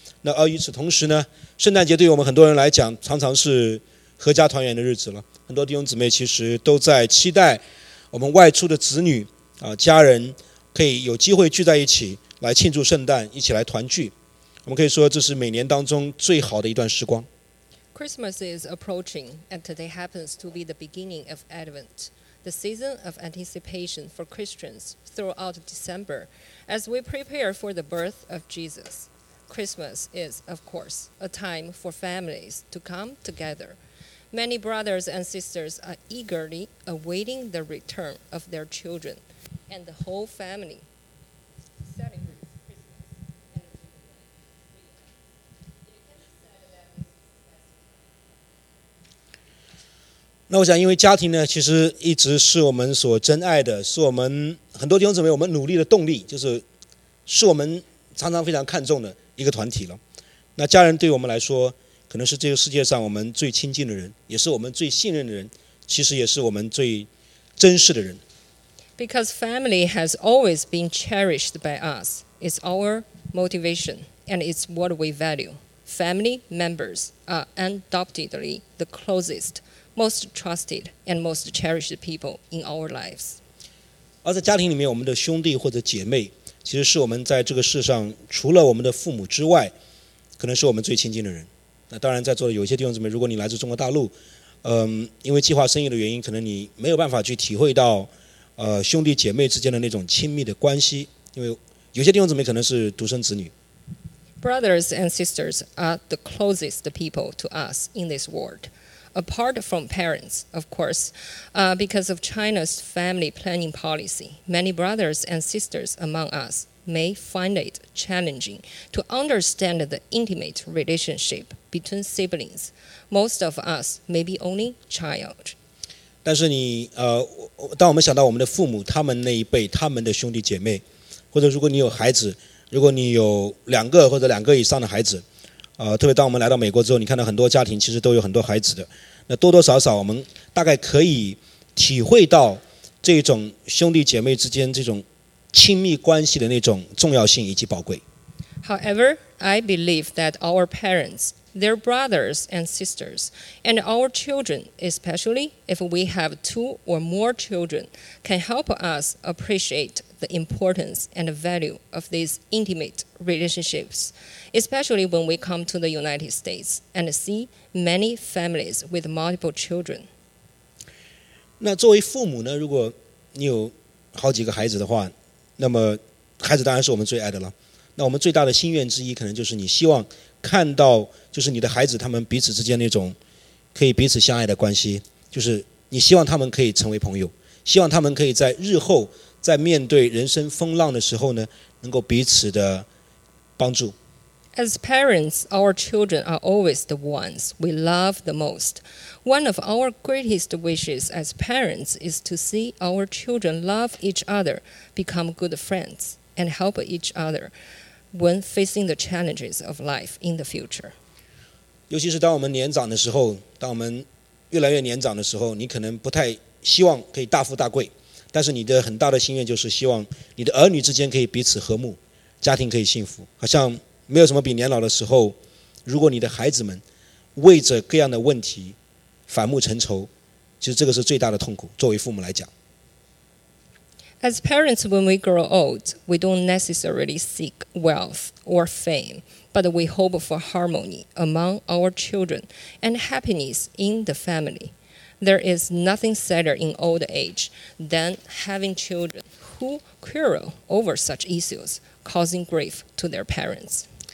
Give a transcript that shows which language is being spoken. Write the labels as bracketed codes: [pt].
[zh] 那而与此同时呢，圣诞节对于我们很多人来讲，常常是合家团圆的日子了。很多弟兄姊妹其实都在期待我们外出的子女家人可以有机会聚在一起来庆祝圣诞，一起来团聚。我们可以说这是每年当中最好的一段时光。 [en] Christmas is approaching, and today happens to be the beginning of Advent, the season of anticipation for Christians throughout December, as we prepare for the birth of Jesus. Christmas is, of course, a time for families to come together. Many brothers and sisters are eagerly awaiting the return of their children and the whole family. [zh] 那我想因为家庭呢，其实一直是我们所珍爱的，是我们很多弟兄姊妹我们努力的动力，就是是我们常常非常看重的一个团体了。那家人对我们来说可能是这个世界上我们最亲近的人，也是我们最信任的人，其实也是我们最真实的人。 [en] Because family has always been cherished by us. It's our motivation, and it's what we value. Family members are undoubtedly the closest, most trusted, and most cherished people in our lives. [zh] 而在家庭里面，我们的兄弟或者姐妹，其实是我们在这个世上除了我们的父母之外，可能是我们最亲近的人。那当然，在座的有些弟兄姊妹，如果你来自中国大陆，因为计划生育的原因，可能你没有办法去体会到，兄弟姐妹之间的那种亲密的关系。因为有些弟兄姊妹可能是独生子女。 [en] Brothers and sisters are the closest people to us in this world, apart from parents, of course, because of China's family planning policy. Many brothers and sisters among us may find it challenging to understand the intimate relationship between siblings. Most of us may be only child. [zh] 但是你当我们想到我们的父母，他们那一辈，他们的兄弟姐妹，或者如果你有孩子，如果你有两个或者两个以上的孩子，特别当我们来到美国之后，你看到很多家庭其实都有很多孩子的，那多多少少我们大概可以体会到这种兄弟姐妹之间这种亲密关系的那种重要性以及宝贵。 [en] However, I believe that our parents, their brothers and sisters, and our children, especially if we have two or more children, can help us appreciate the importance and value of these intimate relationships, especially when we come to the United States and see many families with multiple children. [zh] 那作为父母呢，如果你有好几个孩子的话，那么孩子当然是我们最爱的了。那我们最大的心愿之一，可能就是你希望看到，就是你的孩子他们彼此之间那种可以彼此相爱的关系，就是你希望他们可以成为朋友，希望他们可以在日后在面对人生风浪的时候呢，能够彼此的帮助。 [en] As parents, our children are always the ones we love the most. One of our greatest wishes as parents is to see our children love each other, become good friends, and help each other when facing the challenges of life in the future. [zh] 尤其是当我们年长的时候，当我们越来越年长的时候，你可能不太希望可以大富大贵，但是你的很大的心愿就是希望你的儿女之间可以彼此和睦，家庭可以幸福，好像没有什么比年老的时候，如果你的孩子们为着各样的问题反目成仇，其实这个是最大的痛苦，作为父母来讲。 [en] As parents, when we grow old, we don't necessarily seek wealth or fame, but we hope for harmony among our children and happiness in the family. There is nothing sadder in old age than having children who quarrel over such issues, causing grief to their parents.